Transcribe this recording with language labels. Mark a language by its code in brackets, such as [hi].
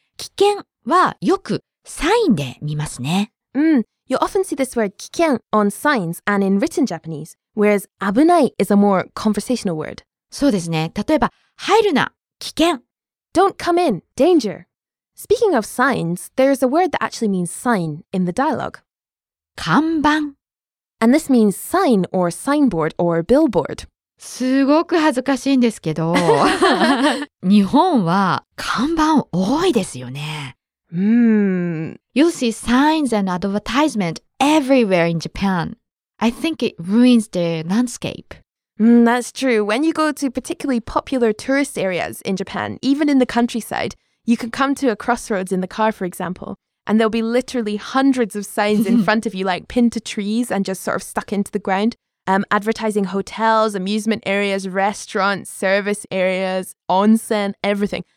[ja] 危険はよくサインで見ますね。 [en] You often see this word 危険 on signs and in written Japanese, whereas 危ない is a more conversational word. [ja] そうですね。例えば、入るな、危険。 [en] Don't come in, danger. Speaking of signs, there's a word that actually means sign in the dialogue. [ja] 看板。 [en] And this means sign or signboard or billboard. [ja] すごく恥ずかしいんですけど、日本は看板多いですよね。 [en] You'll see signs and advertisement everywhere in Japan. I think it ruins the landscape. That's true. When you go to particularly popular tourist areas in Japan, even in the countryside, You could come to a crossroads in the car, for example, and there'll be literally hundreds of signs in front of you, like pinned to trees and just sort of stuck into the ground, advertising hotels, amusement areas, restaurants, service areas, onsen, everything.